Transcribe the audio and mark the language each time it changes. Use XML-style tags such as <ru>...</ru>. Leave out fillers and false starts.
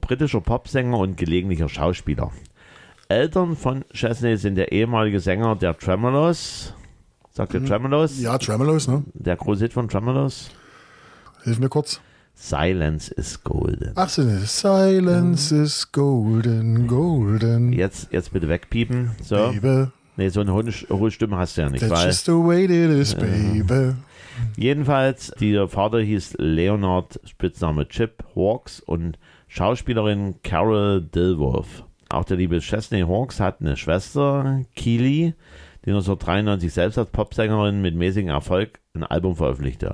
<de>Britischer Popsänger und gelegentlicher Schauspieler. Eltern von Chesney sind der ehemalige Sänger der Tremolos. Sagt ihr Tremolos? Ja, Tremolos, ne? Der große Hit von Tremolos. Hilf mir kurz.</de> <en>Silence is golden.</en> <de>Ach so,</de> <en>Silence is golden, golden.</en> <de>Jetzt bitte wegpiepen. So.</de> <en>Baby.</en> <de>Nee, so eine hohe Stimme hast du ja nicht.</de> <en>That's just the way it is, baby.</en> <de>Jedenfalls, der Vater hieß Leonard, Spitzname Chip Hawks und Schauspielerin Carol Dilworth. Auch der liebe Chesney Hawks hat eine Schwester, Keely, die 1993 selbst als Popsängerin mit mäßigem Erfolg ein Album veröffentlichte.</de>